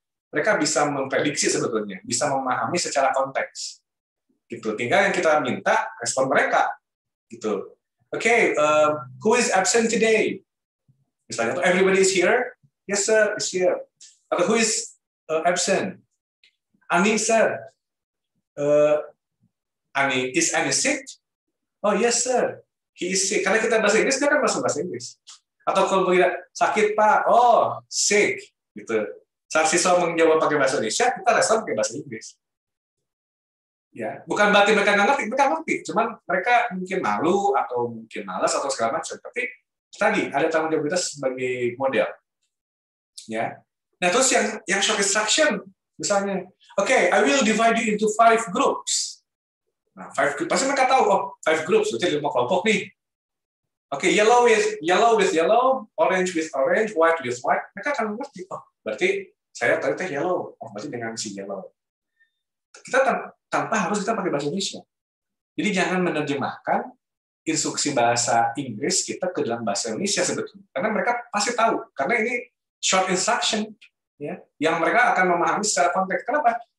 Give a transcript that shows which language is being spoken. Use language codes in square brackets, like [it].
[id] Mereka bisa memprediksi sebetulnya, bisa memahami secara konteks. Gitu. Tinggal yang kita minta respon mereka. Gitu. [en] Okay, who is absent today? Misalnya, everybody is here? Yes, sir, is here. Atau who is absent? Ani, sir. Ani, is Ani sick? Oh, yes, sir. He is sick. [id] Karena kita bahasa Inggris, dia kan masuk bahasa Inggris. Atau kalau begitu, sakit, Pak. Oh, sick. Gitu. Saat siswa menjawab pakai bahasa Indonesia, kita respon pakai bahasa Inggris. Ya, bukan berarti mereka nggak ngerti, mereka ngerti. Cuman mereka mungkin malu, atau mungkin malas, atau segala macam. Tapi tadi, ada tanggung jawab kita sebagai model. Ya. Nah, terus yang short instruction, misalnya, [en] okay, I will divide you into five groups. [id] Nah, pasti mereka tahu, oh, five groups, berarti lima kelompok nih. [en] Okay, yellow with yellow, orange, white. [id] Mereka akan ngerti, oh, berarti saya tadi teh yellow, oh, berarti dengan si yellow. Kita tanpa harus kita pakai bahasa Indonesia. Jadi jangan menerjemahkan instruksi bahasa Inggris kita ke dalam bahasa Indonesia sebetulnya. Karena mereka pasti tahu, karena ini short instruction, ya, yang mereka akan memahami secara konteks. Kenapa?